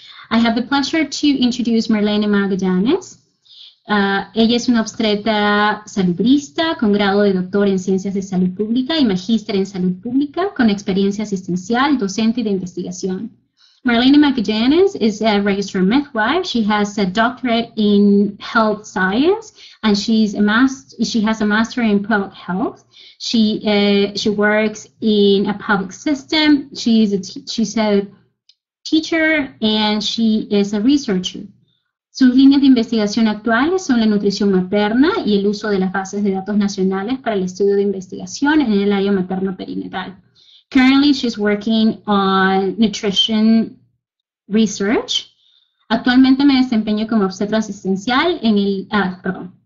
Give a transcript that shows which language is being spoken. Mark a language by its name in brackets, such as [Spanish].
[English] I have the pleasure to introduce Marlene Magallanes. [Spanish] Ella es una obstetra salubrista con grado de doctor en ciencias de salud pública y magíster en salud pública con experiencia asistencial, docente y de investigación. [English] Marlene Magallanes is a registered midwife. She has a doctorate in health science, and she has a master in public health. She works in a public system. She's a teacher and she is a researcher. [Spanish] Sus líneas de investigación actuales son la nutrición materna y el uso de las bases de datos nacionales para el estudio de investigación en el área materno-perinatal. [English] Currently, she's working on nutrition research. [Spanish] Actualmente me desempeño como obstetra asistencial en el. Ah, perdón.